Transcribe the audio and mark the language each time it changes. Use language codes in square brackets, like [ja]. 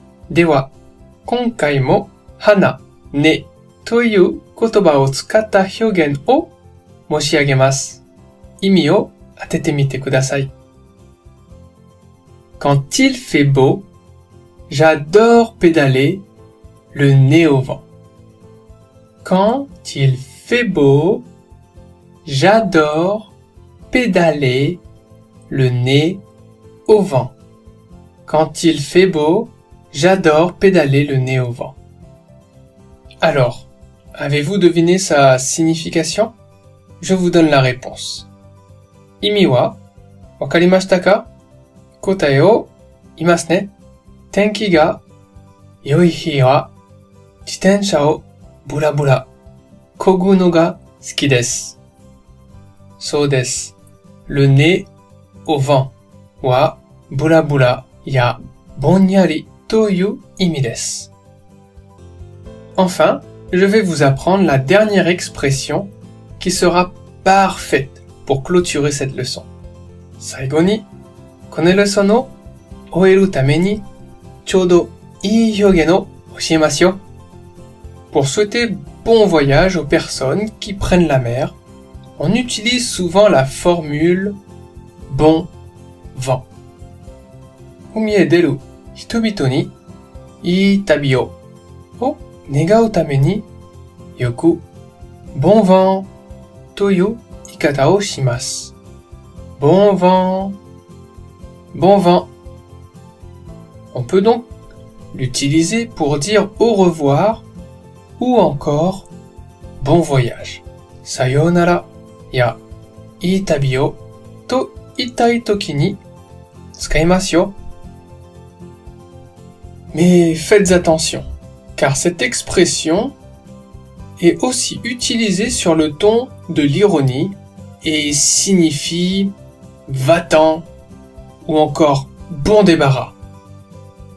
[ja] では、今回も花、ねという言葉を使った表現を申し上げます。意味を当ててみてください。 [fr] Quand il fait beau, j'adore pédaler le nez au vent. Quand il fait beau, j'adore pédaler le nez au vent. Quand il fait beau, j'adore pédaler le nez au vent. Alors, avez-vous deviné sa signification? Je vous donne la réponse. [ja] 意味は、わかりましたか?答えを、いますね。天気が、良い日は、自転車を、ブラブラ、こぐのが好きです。そうです。 [fr] Le nez au vent [ja] は、ブラブラや、ぼんやりという意味です。 [fr] Enfin, je vais vous apprendre la dernière expression qui sera parfaite pour clôturer cette leçon. [ja] 最後に、このレッスンを終えるためにちょうどいい表現を教えますよ。 [fr] Pour souhaiter bon voyage aux personnes qui prennent la mer, on utilise souvent la formule bon vent. [ja] 海へ出る人々にいい旅を願うために、よく、bon vent という言い方をします。 [fr] bon vent, bon vent. On peut donc l'utiliser pour dire au revoir ou encore bon voyage. [ja] さようなら、や、いい旅をと言いたいときに使いますよ。 [fr] Mais faites attention! Car cette expression est aussi utilisée sur le ton de l'ironie et signifie « va-t'en » ou encore « bon débarras ».